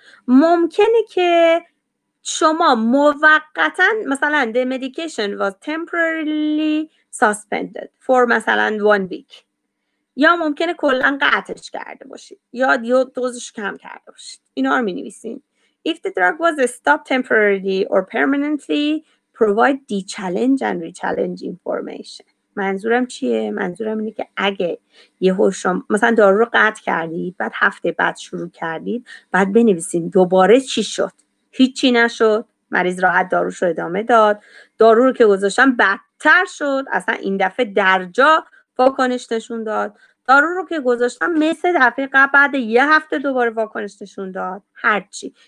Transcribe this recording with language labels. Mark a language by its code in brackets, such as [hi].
[fa] ممکنه که شما موقتا مثلا [en] the medication was temporarily suspended for [fa] مثلا 1 week، یا ممکنه کلا قطعش کرده باشید یا دوزش کم کرده باشید، اینا رو می‌نویسین. [en] If the drug was stopped temporarily or permanently provide de-challenge and re-challenge information. [fa] منظورم چیه؟ منظورم اینه که اگه یهو شما مثلا دارو رو قطع کردید بعد هفته بعد شروع کردید، بعد بنویسین دوباره چی شد، هیچی نشد، مریض راحت داروش رو ادامه داد، دارو رو که گذاشتم بدتر شد، اصلا این دفعه در جا واکنش نشون داد، دارو رو که گذاشتم مثل دفعه قبل بعد یه هفته دوباره واکنش نشون داد، هرچی.